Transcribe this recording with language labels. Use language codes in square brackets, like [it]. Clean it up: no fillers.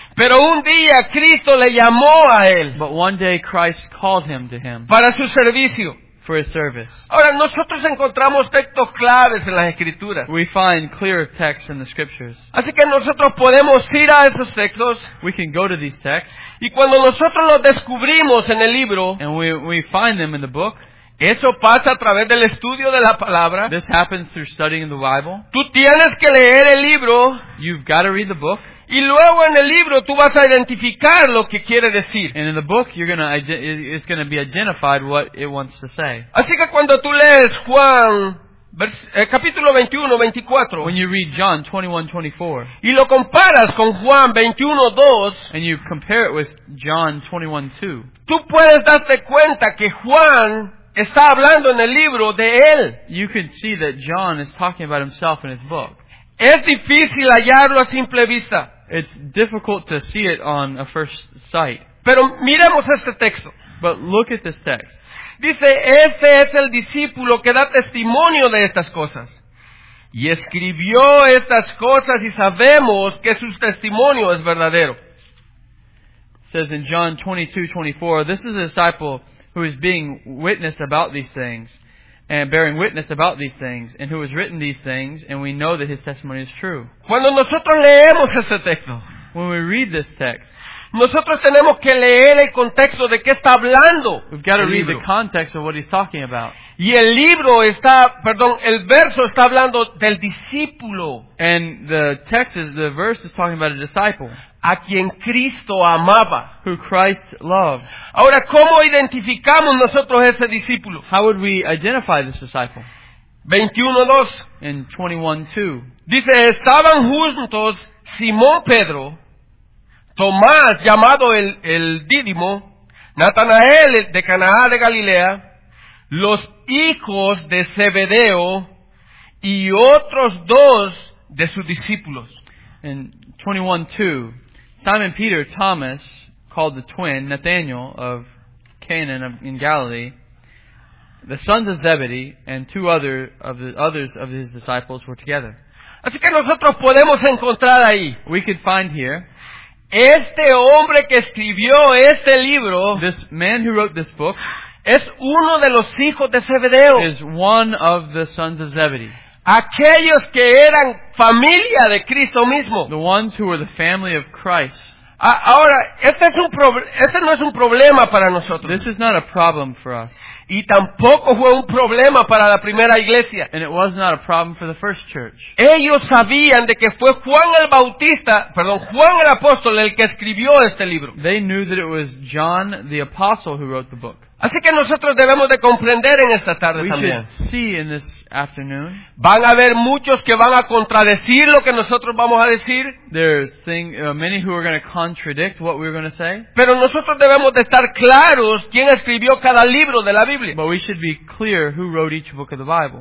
[es] Pero un día Cristo le llamó a él. [en] But one day Christ called him to him. [es] Para su servicio. [en] For his service. [es] Ahora nosotros encontramos textos claves en las escrituras. [en] We find clear texts in the scriptures. [es] Así que nosotros podemos ir a esos textos. [en] We can go to these texts. [es] Y cuando nosotros los descubrimos en el libro, [en] and we find them in the book, [es] eso pasa a través del estudio de la palabra. [en] This happens through studying the Bible. [es] Tú tienes que leer el libro. [en] You've got to read the book. [es] Y luego en el libro tú vas a identificar lo que quiere decir. [en] And in the book you're gonna it's gonna be identified what it wants to say. [es] Así que cuando tú lees Juan capítulo 21, 24. [en] When you read John 21, 24. [es] Y lo comparas con Juan 21, 2. [en] And you compare it with John 21, 2. [es] Tú puedes darte cuenta que Juan está hablando en el libro de él. [en] You can see that John is talking about himself in his book. [es] Es difícil hallarlo a simple vista. [en] It's difficult to see it on a first sight. [es] Pero miremos este texto. [en] But look at this text. [es] Dice, este es el discípulo que da testimonio de estas cosas. Y escribió estas cosas y sabemos que su testimonio es verdadero. [en] It says in John 22:24, this is a disciple who is being witnessed about these things. And bearing witness about these things, and who has written these things, and we know that his testimony is true. [es] Cuando nosotros leemos ese texto, [en] when we read this text, [es] nosotros tenemos que leer el contexto de qué está hablando. [en] We've got to read the context of what he's talking about. [es] Y el libro está, perdón, el verso está hablando del discípulo. [en] And the verse is talking about a disciple. [es] A quien Cristo amaba. [en] Who Christ loved. [es] Ahora, ¿cómo identificamos nosotros ese discípulo? [en] How would we identify this disciple? [es] 21:2. [en] In 21:2. [es] Dice, estaban juntos Simón Pedro, Tomás, llamado el Dídimo, Natanael de Caná de Galilea, los hijos de Zebedeo, y otros dos de sus discípulos. [en] In 21:2. Simon Peter, Thomas, called the twin, Nathanael of Canaan in Galilee, the sons of Zebedee, and two others of his disciples were together. [es] Así que nosotros podemos encontrar ahí. [en] We could find here. [es] Este hombre que escribió este libro. [en] This man who wrote this book. [es] Es uno de los hijos de Zebedeo. [en] Is one of the sons of Zebedee. [es] Aquellos que eran familia de Cristo mismo. [en] The ones who were the family of Christ. [es] Ahora, este no es un problema para nosotros. [en] This is not a problem for us. [es] Y tampoco fue un problema para la primera iglesia. [en] And it was not a problem for the first church. [es] Ellos sabían de que fue Juan el Bautista, perdón, Juan el Apóstol el que escribió este libro. [en] They knew that it was John the Apostle who wrote the book. [es] Así que nosotros debemos de comprender en esta tarde [en] we [es] también. [en] See in this afternoon, [es] van a haber muchos que van a contradecir lo que nosotros vamos a decir. [en] Many who are going to contradict what we're going to say. [es] Pero nosotros debemos de estar claros quién escribió cada libro de la Biblia. [en] But we should be clear who wrote each book of the Bible.